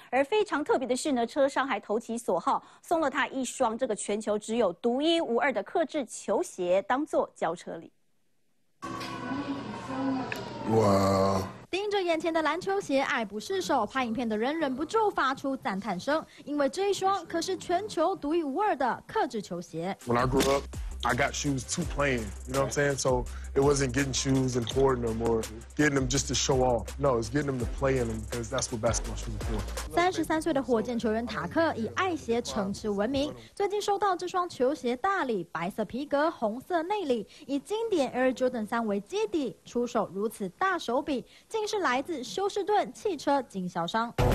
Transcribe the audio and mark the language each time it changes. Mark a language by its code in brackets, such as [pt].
[zh] 而非常特别的是呢，车商还投其所好，送了他一双这个全球只有独一无二的客制球鞋当作轿车礼。哇，盯着眼前的篮球鞋爱不释手，拍影片的人忍不住发出赞叹声，因为这一双可是全球独一无二的客制球鞋。 [en] When I grew up, I got shoes too plain, you know what I'm saying? So it wasn't getting shoes and hoarding them or getting them just to show off. No, it's getting them to play in them because that's what basketball shoes are for. [zh] 33岁的火箭球员塔克以爱鞋成痴闻名，最近收到这双球鞋大礼，白色皮革，红色内里，以经典 Air Jordan 3为基底，出手如此大手笔，竟是来自休斯顿汽车经销商。